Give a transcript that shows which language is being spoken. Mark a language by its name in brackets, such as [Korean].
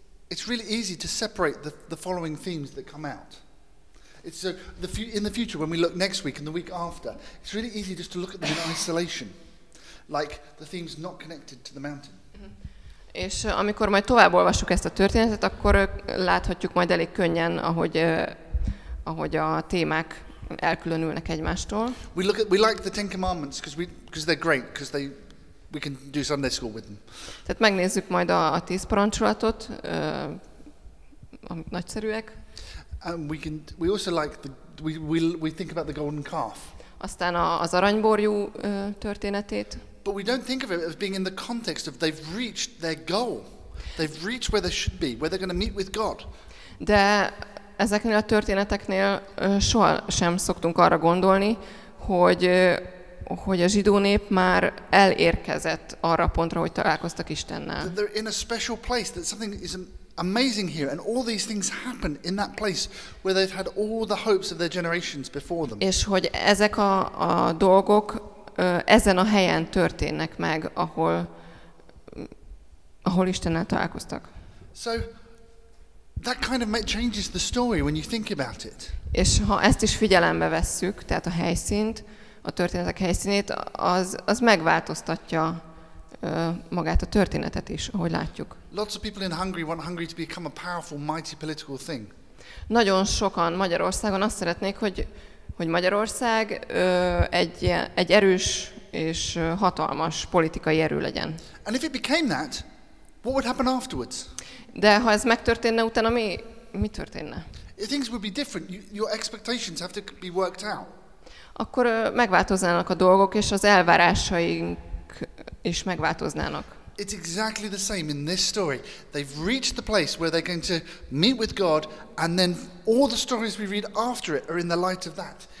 [English] It's really easy to separate the following themes that come out. It's in the future when we look next week and the week after. It's really easy just to look at them in isolation, like the themes not connected to the mountain. [Hungarian] És amikor majd tovább olvassuk ezt a történetet, akkor láthatjuk majd elég könnyen, ahogy a témák elkülönülnek egymástól. [English] We like the Ten Commandments because they're great, because we can do Sunday school with them. [Hungarian] Tehát megnézzük majd a 10 parancsolatot, amik nagyszerűek. [English] And we think about the golden calf. [Hungarian] Aztán az aranyborjú történetét. [English] But we don't think of it as being in the context of they've reached their goal. They've reached where they should be, where they're going to meet with God. [Hungarian] De ezeknél a történeteknél soha sem szoktunk arra gondolni, hogy a zsidó nép már elérkezett arra a pontra, hogy találkoztak Istennel. [English] They're in a special place, that something is amazing here, and all these things happen in that place where they've had all the hopes of their generations before them. [Hungarian] És hogy ezek a dolgok ezen a helyen történnek meg, ahol Istennel találkoztak. [English] So that kind of changes the story when you think about it. [Hungarian] És ha ezt is figyelembe vesszük, tehát a helyszínt, a történetek helyszínét, az megváltoztatja magát a történetet is, ahogy látjuk. [English] Lots of people in Hungary want Hungary to become a powerful, mighty political thing. [Hungarian] Nagyon sokan Magyarországon azt szeretnék, hogy Magyarország egy erős és hatalmas politikai erő legyen. [English] And if it became that, what would happen afterwards? [Hungarian] De ha ez megtörténne, utána mi történne? [English] Things would be different. Your expectations have to be worked out. [Hungarian] Akkor megváltoznának a dolgok, és az elvárásaink is megváltoznának. [English] It's exactly the same in this story. They've reached the place where they're going to meet with God, and then all the stories we read after it are in the light of that.